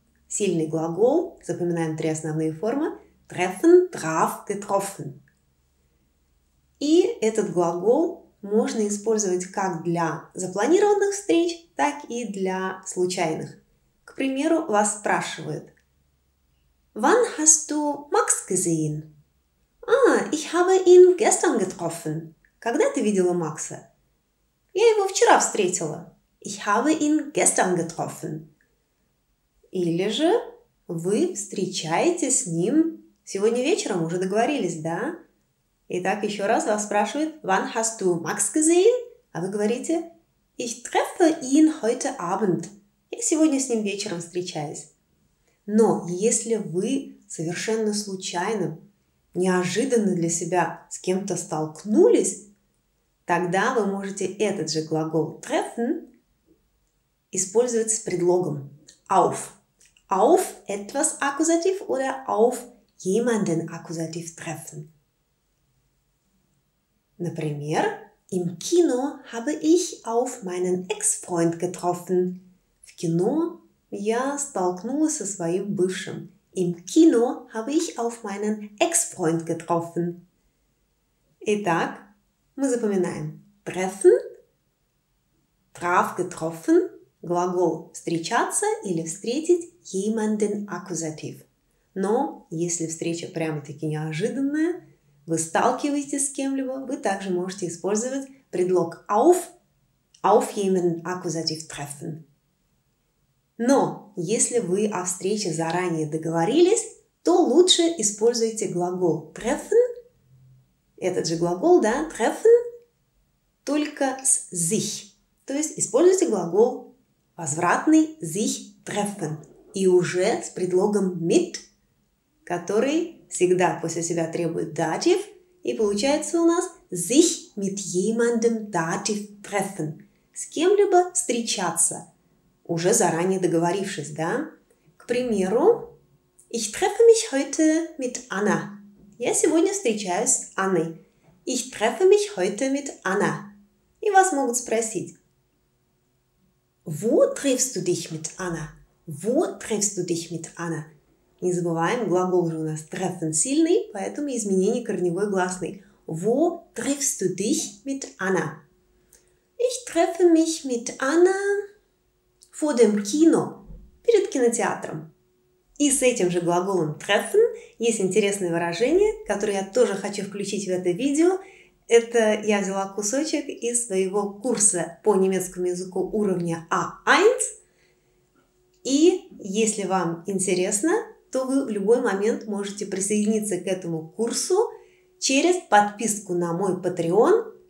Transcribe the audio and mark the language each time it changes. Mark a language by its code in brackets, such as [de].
[ru] Сильный глагол, запоминаем три основные формы. [de] «Treffen», «traf», «getroffen». [ru] И этот глагол можно использовать как для запланированных встреч, так и для случайных. К примеру, вас спрашивают. [de] Wann hast du Max gesehen? Ich habe ihn gestern getroffen. [ru] Когда ты видела Макса? Я его вчера встретила. [de] Ich habe ihn gestern getroffen. [ru] Или же вы встречаетесь с ним сегодня вечером, уже договорились, да? Итак, еще раз вас спрашивают, [de] wann hast du Max gesehen? [ru] А вы говорите, [de] ich treffe ihn heute Abend. [ru] Я сегодня с ним вечером встречаюсь. Но если вы совершенно случайно, неожиданно для себя с кем-то столкнулись, тогда вы можете этот же глагол treffen использовать с предлогом auf. [de] Auf etwas akkusativ oder auf jemanden akkusativ treffen. [ru] Например, [de] im Kino habe ich auf meinen Ex-Freund getroffen. [ru] В кино я столкнулась со своим бывшим. [de] Im Kino habe ich auf meinen Ex-Freund getroffen. [ru] Итак, мы запоминаем. [de] Treffen, traf, getroffen, [ru] глагол встречаться или встретить, [de] jemanden akkusativ. [ru] Но если встреча прямо-таки неожиданная, вы сталкиваетесь с кем-либо, вы также можете использовать предлог auf, [de] auf jemanden akkusativ treffen. [ru] Но если вы о встрече заранее договорились, то лучше используйте глагол treffen, этот же глагол, да, treffen, только с sich. То есть используйте глагол возвратный sich treffen и уже с предлогом mit, который всегда после себя требует датив, и получается у нас [de] sich mit jemandem dativ treffen. [ru] С кем-либо встречаться, уже заранее договорившись, да? К примеру, [de] ich treffe mich heute mit Anna. [ru] Я сегодня встречаюсь с Анной. [de] Ich treffe mich heute mit Anna. [ru] И вас могут спросить. [de] Wo triffst du dich mit Anna? Wo triffst du dich mit Anna? [ru] Не забываем, глагол же у нас treffen сильный, поэтому изменение корневой гласной. [de] Wo triffst du dich mit Anna? Ich treffe mich mit Anna vor dem Kino. [ru] Перед кинотеатром. И с этим же глаголом treffen есть интересное выражение, которое я тоже хочу включить в это видео. Это я взяла кусочек из своего курса по немецкому языку уровня A1. И если вам интересно, то вы в любой момент можете присоединиться к этому курсу через подписку на мой Patreon,